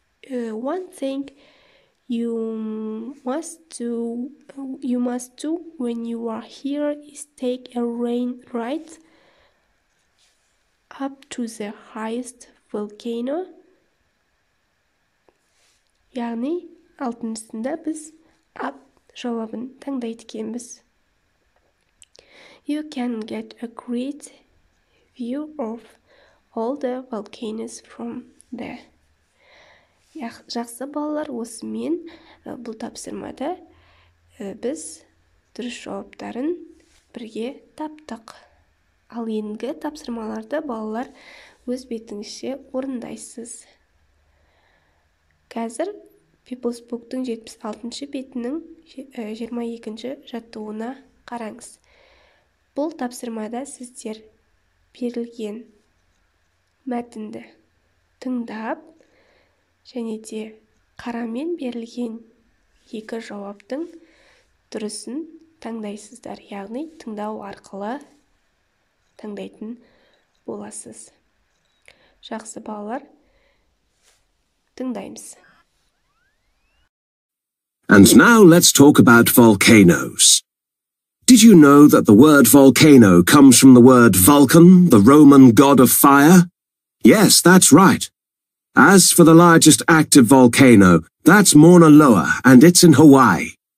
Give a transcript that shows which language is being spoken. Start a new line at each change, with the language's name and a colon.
English: One thing You must do when you are here is take a rain ride up to the highest volcano.
Kazakh: Яғни, алтыншысында біз up жауабын таңдайды екенбіз.
English: You can get a great view of all the volcanoes from there.
Kazakh: Жақсы балалар, осы мен бұл тапсырмада біз дұрыс жауаптарын бірге таптық. Ал енгі тапсырмаларды балалар өз бетіңізше орындайсыз. Қазір People's Book-тың 76-шы бетінің 22-ші жаттығуына қараңыз. Бұл тапсырмада сіздер берілген мәтінді тыңдап, және де қарамен берілген екі жауаптың дұрысын таңдайсыздар, яғни тыңдау арқылы таңдайтын боласыз. Жақсы балалар, тыңдаймыз.
English: And now let's talk about volcanoes. Did you know that the word volcano comes from the word Vulcan, the Roman god of fire? Yes, that's right. As for the largest active volcano, that's Mauna Loa, and it's in Hawaii.